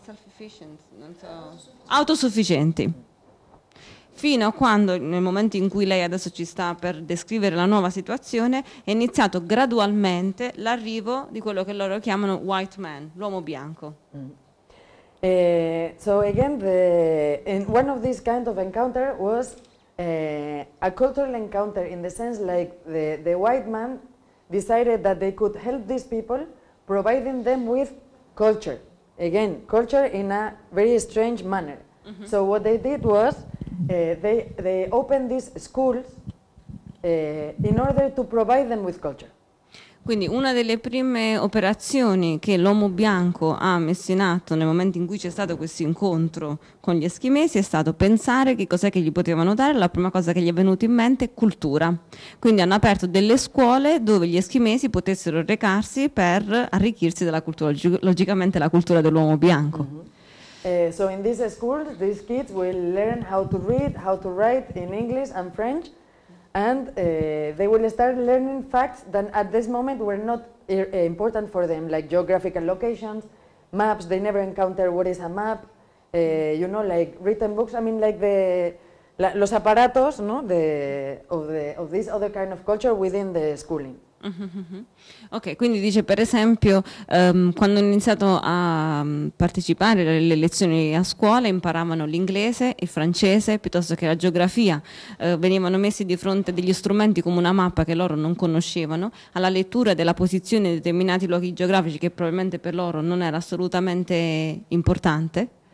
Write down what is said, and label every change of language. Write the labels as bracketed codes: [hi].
[it] self-efficient, non so, autosufficienti, fino a quando, nel momento in cui lei adesso ci sta per descrivere la nuova situazione, è iniziato gradualmente l'arrivo di quello che loro chiamano [en] white man, [it] l'uomo bianco. [en] So again, in one of these kind of encounter was a cultural encounter in the sense like the white man decided that they could help these people providing them with culture. Again, culture in a very strange manner. So what they did was they opened these schools in order to provide them with culture. [it] Quindi una delle prime operazioni che l'uomo bianco ha messo in atto nel momento in cui c'è stato questo incontro con gli eschimesi è stato pensare che cos'è che gli potevano dare. La prima cosa che gli è venuta in mente è cultura. Quindi hanno aperto delle scuole dove gli eschimesi potessero recarsi per arricchirsi della cultura, logicamente la cultura dell'uomo bianco. [en] So in these schools, these kids will learn how to read, how to write in English and French, and they will start learning facts that at this moment were not important for them, like geographical locations, maps. They never encounter what is a map, you know, like written books. I mean, like the [es] los aparatos, [en] no, of this other kind of culture within the schooling. [it] Ok, quindi dice per esempio quando ho iniziato a partecipare alle lezioni a scuola imparavano l'inglese, il francese piuttosto che la geografia, venivano messi di fronte degli strumenti come una mappa che loro non conoscevano, alla lettura della posizione di determinati luoghi geografici che probabilmente per loro non era assolutamente importante.